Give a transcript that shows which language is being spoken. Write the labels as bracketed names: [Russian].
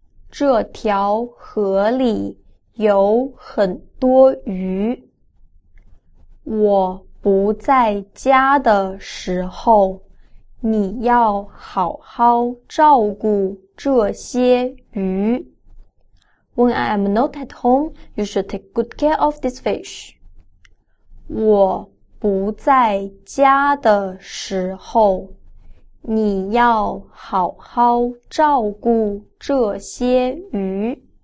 [Chinese] 这条河里有很多鱼。我不在家的时候，你要好好照顾这些鱼。 [English] When I am not at home, you should take good care of this fish. [Chinese] 我不在家的时候，你要好好照顾这些鱼。